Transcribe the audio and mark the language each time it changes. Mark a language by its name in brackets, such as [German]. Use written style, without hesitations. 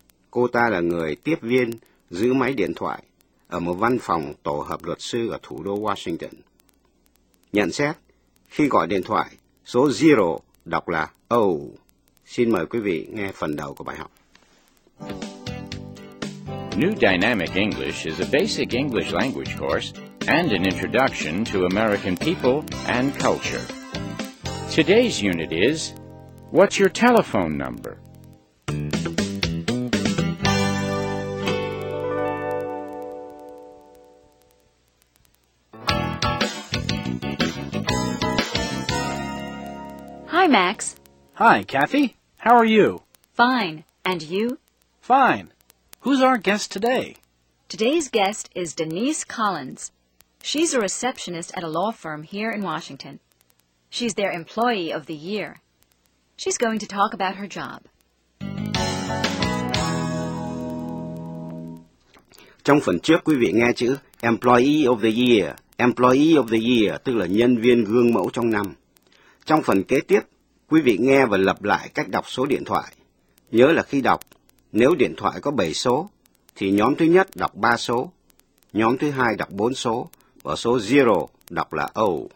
[Vietnamese] Cô ta là người tiếp viên giữ máy điện thoại ở một văn phòng tổ hợp luật sư ở thủ đô Washington. Nhận xét, khi gọi điện thoại, số 0 đọc là O. Xin mời quý vị nghe phần đầu của bài học. [English] New Dynamic English is a basic English language course and an introduction to American people and culture. Today's unit is, what's your telephone number? Hi, Max. Hi, Kathy. How are you? Fine. And you? Fine. Who's our guest today? Today's guest is Denise Collins. She's a receptionist at a law firm here in Washington. She's their employee of the year. She's going to talk about her job. [Vietnamese] Trong phần trước quý vị nghe chữ employee of the year. Employee of the year tức là nhân viên gương mẫu trong năm. Trong phần kế tiếp, quý vị nghe và lặp lại cách đọc số điện thoại. Nhớ là khi đọc, nếu điện thoại có 7 số, thì nhóm thứ nhất đọc 3 số, nhóm thứ hai đọc 4 số, và số 0 đọc là O.